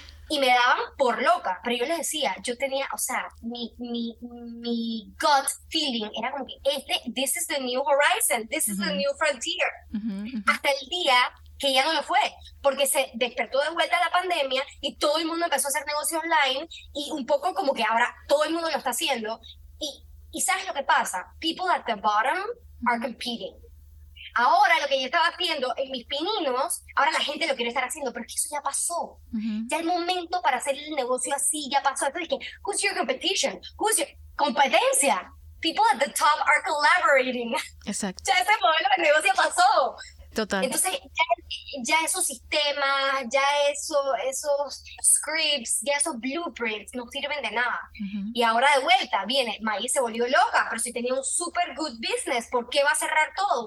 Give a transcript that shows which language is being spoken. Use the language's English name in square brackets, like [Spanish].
[Spanish] Y me daban por loca, pero yo les decía, yo tenía, o sea, mi gut feeling era como que [English] this is the new horizon, this is the new frontier. [Spanish] Hasta el día que ya no lo fue, porque se despertó de vuelta la pandemia y todo el mundo empezó a hacer negocios online y un poco como que ahora todo el mundo lo está haciendo. Y ¿sabes lo que pasa? [English] People at the bottom are competing. [Spanish] Ahora lo que yo estaba haciendo en mis pininos, ahora la gente lo quiere estar haciendo, pero es que eso ya pasó. Ya el momento para hacer el negocio así ya pasó. Entonces dije, [English] who's your competition? Who's your competencia? People at the top are collaborating. [Spanish] Exacto. Ya ese modelo de negocio pasó. Total. Entonces ya esos sistemas, ya esos scripts, ya esos blueprints no sirven de nada. Y ahora de vuelta viene, Maíz se volvió loca, pero si tenía un [English] super good business, [Spanish] ¿por qué va a cerrar todo?